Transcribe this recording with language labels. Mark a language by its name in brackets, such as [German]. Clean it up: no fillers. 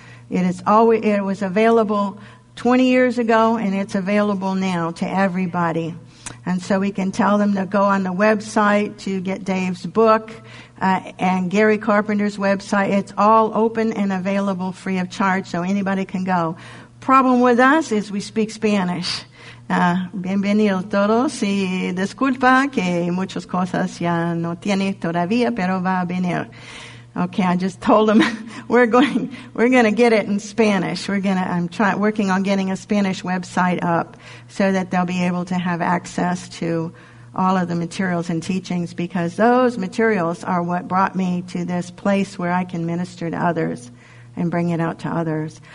[English] It was available 20 years ago, and it's available now to everybody. And so we can tell them to go on the website to get Dave's book and Gary Carpenter's website. It's all open and available free of charge, so anybody can go. Problem with us is we speak Spanish. [Spanish] Bienvenidos todos y disculpa que muchas cosas ya no tiene todavía, pero va a venir. [English] Okay, I just told them we're going to get it in Spanish. I'm working on getting a Spanish website up so that they'll be able to have access to all of the materials and teachings, because those materials are what brought me to this place where I can minister to others and bring it out to others.